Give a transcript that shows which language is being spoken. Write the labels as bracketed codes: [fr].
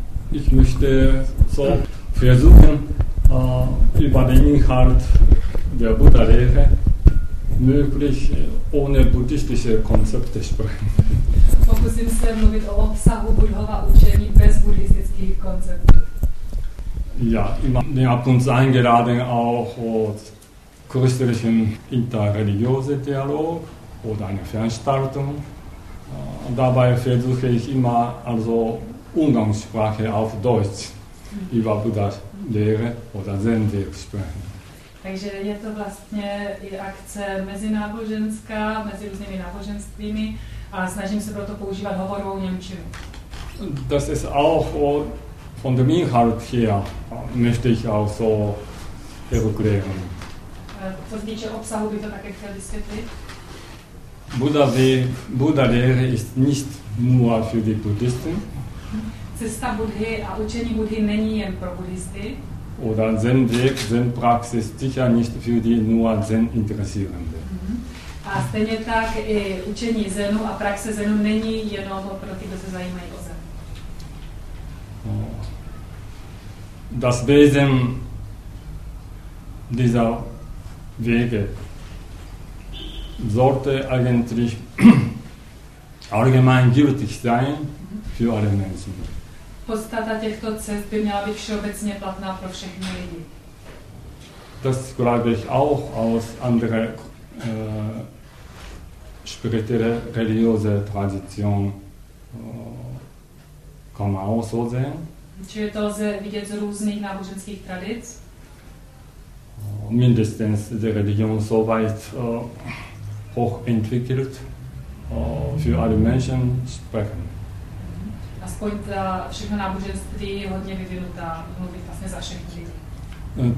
[de] Ich möchte so versuchen, über den Inhalt der Buddha-Lehre möglich ohne buddhistische Konzepte sprechen. [cs] Pokusím se mluvit o obsahu Buddhova učení bez buddhistických konceptů. [de] Ja, immer mehr ab und zu eingeladen auch christlichen interreligiösen Dialog oder eine Veranstaltung. Dabei versuche ich immer also Umgangssprache auf Deutsch über Buddha-Lehre oder Zen-Weg sprechen. [cs] Takže je to vlastně i akce mezináboženská, mezi různými náboženstvími a snažím se proto používat hovorovou němčinu. [de] Das ist auch von dem Inhalt her möchte ich auch so erklären. [cs] Co se týče obsahu, bych to také chtěl vysvětlit. [de] Buddha-Lehre ist nicht nur für die Buddhisten. [cs] Cesta Buddhy a učení Buddhy není jen pro buddhisty. [de] Oder Zen-Weg, Zen-Praxis sicher nicht für die nur Zen-Interessierende. [cs] A stejně tak i učení Zenu a praxe Zenu není jenom pro ty, kdo se zajímají o Zen. [de] Das Wesen dieser Wege sollte eigentlich allgemein gültig sein für alle Menschen. [cs] Podstata těchto cest by měla být všeobecně platná pro všechny lidi. [de] Das glaube ich auch aus anderer spirituelle religiöse Tradition kann man auch so sehen. [cs] Čili to lze vidět z různých náboženských tradic? [de] Mindestens die Religion so weit hoch entwickelt für alle Menschen sprechen. [cs] Aspoň ta všechna náboženství je hodně vyvinutá, mluví vlastně za všechny lidi.